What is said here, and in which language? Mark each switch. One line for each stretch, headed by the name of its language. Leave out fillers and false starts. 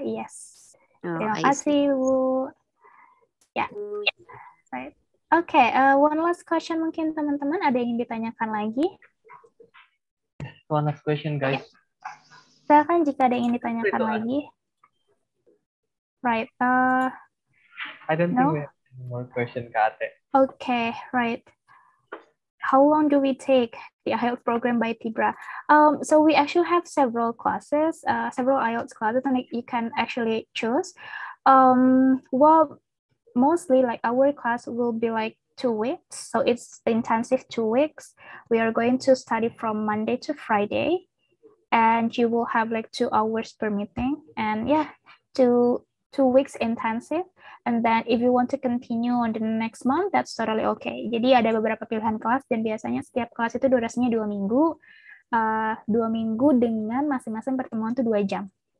Indonesian: Yes. Terima kasih, Bu. Ya. Yeah. Right. Oke, okay,
English: one last question
Indonesian: mungkin teman-teman ada yang ditanyakan lagi?
English: One last question, guys. Yeah.
Indonesian: Silakan jika ada yang ingin ditanyakan lagi.
English: Right. I don't think we have any more question, Kak Ate. Okay, right. How long do we take the IELTS program by TIBRA? So we actually have several classes, several IELTS classes that you can actually choose. Well, mostly like our class will be like 2 weeks. So it's intensive 2 weeks. We are going to study from Monday to Friday and you will have like 2 hours per meeting. And yeah, two weeks intensive. And then if you want to continue on the next month, that's totally okay.
Indonesian: Jadi ada beberapa pilihan kelas dan biasanya setiap kelas itu durasinya 2 minggu. 2 minggu dengan masing-masing pertemuan itu 2 jam.